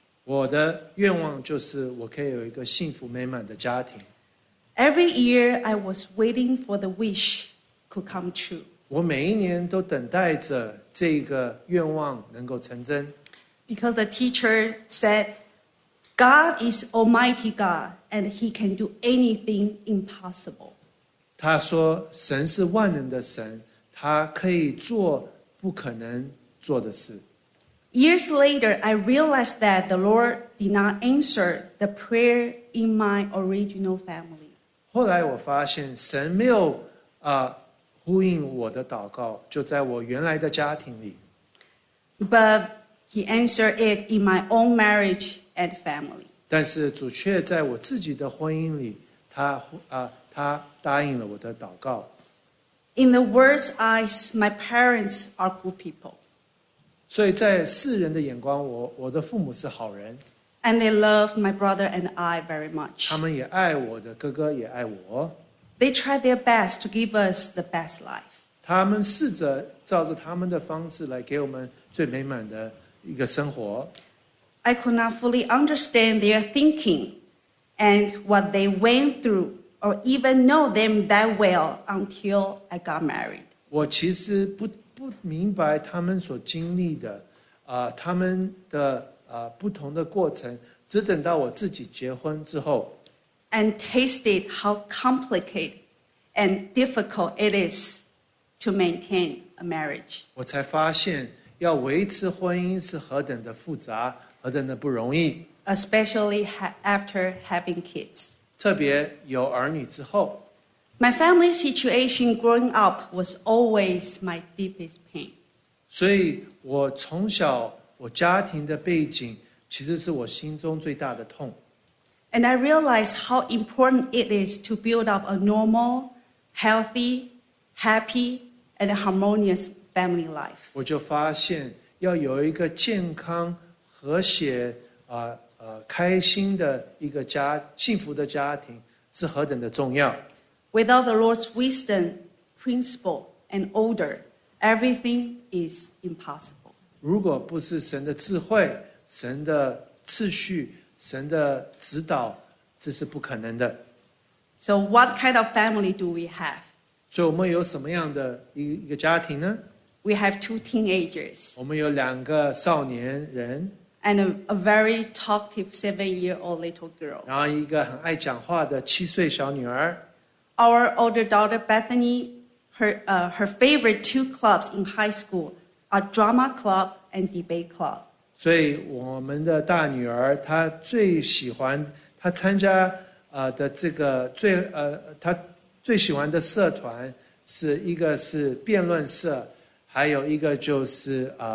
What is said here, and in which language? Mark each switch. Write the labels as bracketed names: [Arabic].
[Chinese] 我的愿望就是我可以有一个幸福美满的家庭。 [English] Every year, I was waiting for the wish could come true. [Chinese] 我每一年都等待着这个愿望能够成真。 [English] Because the teacher said, God is Almighty God, and He can do anything impossible. [Chinese] 他说神是万能的神，他可以做不可能做的事。 [English] Years later, I realized that the Lord did not answer the prayer in my original family. [Chinese] 后来我发现神没有呼应我的祷告，就在我原来的家庭里。 [English] But he answered it in my own marriage and family. [Chinese] 但是主却在我自己的婚姻里，他答应了我的祷告。 [English] In the world's eyes, my parents are good people. [Chinese] 所以在世人的眼光，我的父母是好人。 [English] And they love my brother and I very much. [Chinese] 他们也爱我的哥哥，也爱我。 [English] They try their best to give us the best life. [Chinese] 他们试着照着他们的方式来给我们最美满的一个生活。 [English] I could not fully understand their thinking and what they went through or even know them that well until I got married. [Chinese] 我其实不明白他们所经历的他们的不同的过程，只等到我自己结婚之后。 [English] And tasted how complicated and difficult it is to maintain a marriage. [Chinese] 我才发现要维持婚姻是何等的复杂，何等的不容易。 [English] Especially after having kids. [Chinese] 特别有儿女之后。 [English] My family situation growing up was always my deepest pain. [Chinese] 所以我从小，我家庭的背景其实是我心中最大的痛。 [English] And I realized how important it is to build up a normal, healthy, happy, and harmonious family life. [Chinese] 我就发现要有一个健康、和谐、开心的一个家、幸福的家庭是何等的重要。 [English] Without the Lord's wisdom, principle, and order, everything is impossible. [Chinese] 如果不是神的智慧、神的秩序、神的指导，这是不可能的。 [English] So what kind of family do we have? [Chinese] 所以我们有什么样的一个家庭呢？ [English] We have two teenagers. [Chinese] 我们有两个少年人。 [English] And a very talkative seven-year-old little girl. [Chinese] 然后一个很爱讲话的七岁小女儿。 [English] Our older daughter Bethany, her favorite two clubs in high school are drama club and debate club. [Chinese] 所以我们的大女儿她最喜欢她参加的这个最她最喜欢的社团是一个是辩论社，还有一个就是